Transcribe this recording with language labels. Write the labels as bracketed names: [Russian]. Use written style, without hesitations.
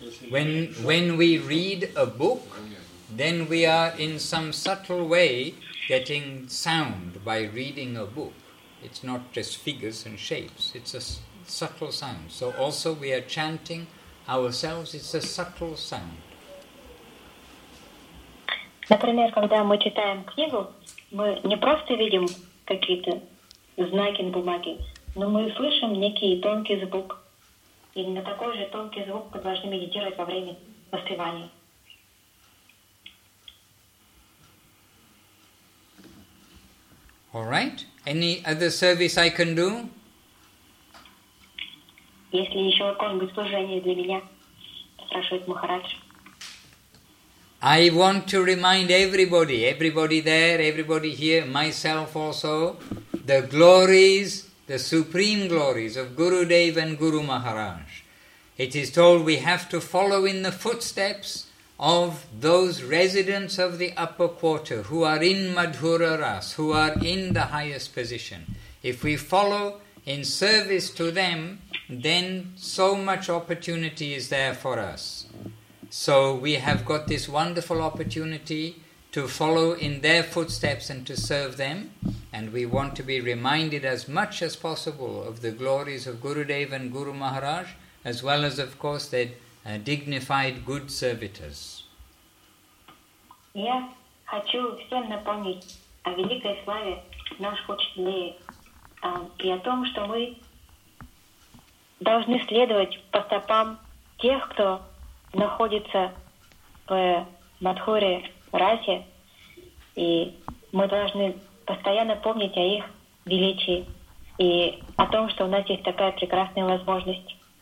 [English] When we read a book, then we are in some subtle way getting sound by reading a book. It's not just figures and shapes, it's a subtle sound. So also we are chanting ourselves, it's a subtle sound. [Russian] Например, когда мы читаем книгу, мы не просто видим какие-то знаки на бумаге, но мы слышим некий тонкий звук. И на такой же тонкий звук мы должны медитировать во время воспевания. [English] All right. Any other service I can do? [Russian] Если еще какое-нибудь служение для меня, спрашивает Махарадж. [English] I want to remind everybody, everybody there, everybody here, myself also, the glories, the supreme glories of Gurudev and Guru Maharaj. It is told we have to follow in the footsteps of those residents of the upper quarter who are in Madhura Ras, who are in the highest position. If we follow in service to them, then so much opportunity is there for us. So we have got this wonderful opportunity to follow in their footsteps and to serve them, and we want to be reminded as much as possible of the glories of Gurudev and Guru Maharaj, as well as, of course, their dignified good servitors. [Russian] Я хочу всем напомнить о великой славе наших учителей и о том, что мы должны следовать по стопам тех, кто находится в Мадхуре Расе, и мы должны постоянно помнить о их величии и о том, что у нас есть такая прекрасная возможность.